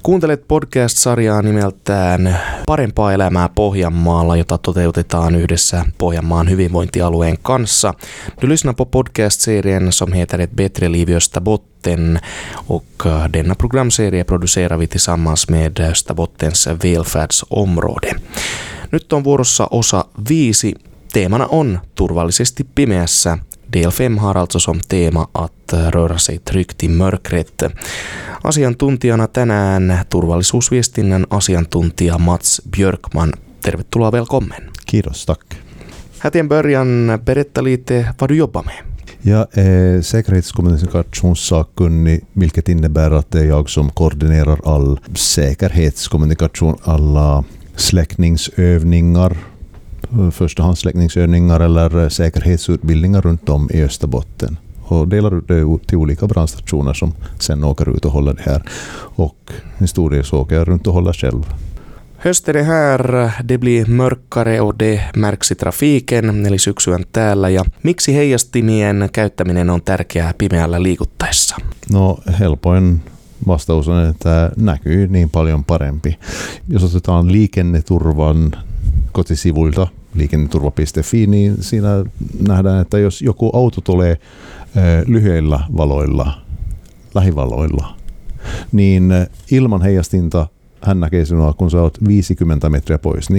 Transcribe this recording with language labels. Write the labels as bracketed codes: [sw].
[fi] Kuuntelet podcast-sarjaa nimeltään Parempaa elämää Pohjanmaalla, jota toteutetaan yhdessä Pohjanmaan hyvinvointialueen kanssa. [sv] Du lyssnar på podcast-serien som heter ett bättre liv i Österbotten. Och denna programserie producerar vi tillsammans med Österbottens välfärdsområde. [fi] Nyt on vuorossa osa 5. Teemana on turvallisesti pimeässä. [sv] Del 5 har alltså som tema att röra sig tryggt i mörkret. [fi] Asiantuntijana tänään turvallisuusviestinnän asiantuntija Mats Björkman. Tervetuloa, [sv] välkommen. [fi] Kiitos, [sv] tack. Hätien början, berätta lite vad du jobbar med. Jag är säkerhetskommunikationssakkunnig, vilket innebär att det är jag som koordinerar all säkerhetskommunikation, alla släckningsövningar. Förstahandsläckningsövningar eller säkerhetsutbildningar runt om i Österbotten. Och delar det till olika brandstationer som sen åker ut och håller det här. Och en stor del så åker jag runt och håller själv. Höst är det här, det blir mörkare och det märks i trafiken, [fi] eli syksyn täällä. Ja miksi heijastimien käyttäminen on tärkeää pimeällä liikuttaessa? No helpoin vastaus on, että näkyy niin paljon parempi. Jos otetaan liikenneturvan kotisivuilta, liikenneturva.fi, niin siinä nähdään, että jos joku auto tulee lyhyillä valoilla, lähivaloilla, niin ilman heijastinta hän näkee sinua, kun sä oot 50 metriä pois.